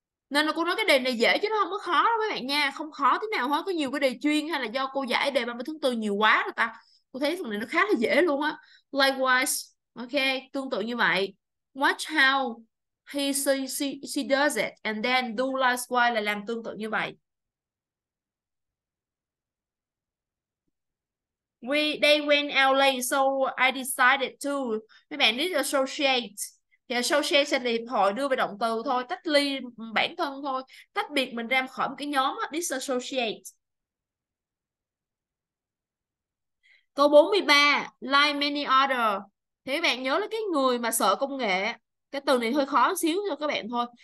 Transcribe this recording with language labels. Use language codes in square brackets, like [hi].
[vi] Nên là cô nói cái đề này dễ chứ nó không có khó đâu các bạn nha. Không khó tí nào hết. Có nhiều cái đề chuyên hay là do cô giải đề 30 tháng 4 nhiều quá rồi ta. Cô thấy phần này nó khá là dễ luôn á. [en] Likewise. Ok. [vi] Tương tự như vậy. [en] Watch how she does it. And then do likewise là làm tương tự như vậy. They went out late, so I decided to. [vi] Mấy bạn [en] need associate. [vi] Thì association là hiệp hội, đưa về động từ thôi, tách ly bản thân thôi, tách biệt mình ra khỏi một cái nhóm đó, disassociate. Câu 43, [en] like many other. [vi] Thì các bạn nhớ là cái người mà sợ công nghệ, cái từ này hơi khó xíu cho các bạn thôi.